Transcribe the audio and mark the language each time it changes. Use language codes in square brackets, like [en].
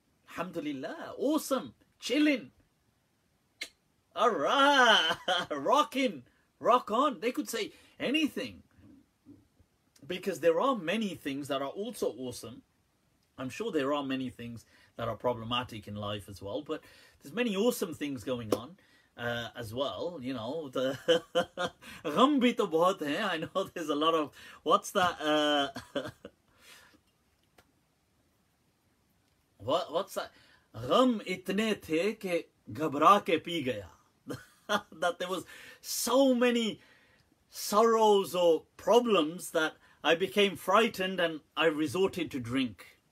[en] Alhamdulillah. Awesome. Chilling. All right. Rocking. Rock on. They could say anything. Because there are many things that are also awesome. I'm sure there are many things that are problematic in life as well. But there's many awesome things going on as well. You know, the [ur] غم بھی تو بہت ہے. [en] I know there's a lot of... What's that? what's that? [ur] غم اتنے تھے کہ گھبرا کے پی گیا. [en] That there was so many sorrows or problems that I became frightened and I resorted to drink.